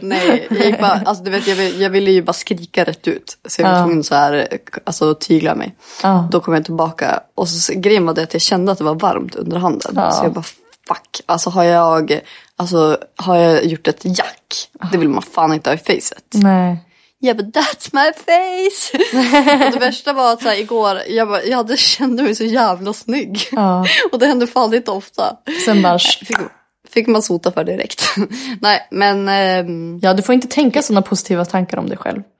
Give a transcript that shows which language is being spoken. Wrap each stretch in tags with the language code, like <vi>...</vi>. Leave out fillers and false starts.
<sv>Nej, jag, bara, alltså, du vet, jag ville ju bara skrika rätt ut. Så jag var tvungen så här, alltså, att tygla mig. Ah. Då kom jag tillbaka. Och så grejen var det att jag kände att det var varmt under handen. Ah. Så jag bara, fuck. Alltså har jag gjort ett jack? Det vill man fan inte ha i facet. Nej.</sv> <en>Ja, yeah, but that's my face.</en> <sv>Och det värsta var att så här, igår, jag hade kände mig så jävla snygg. Ja. Och det hände fan lite ofta. Sen bara... Fick man sota för direkt. Nej, men... Ja, du får inte tänka sådana positiva tankar om dig själv.</sv>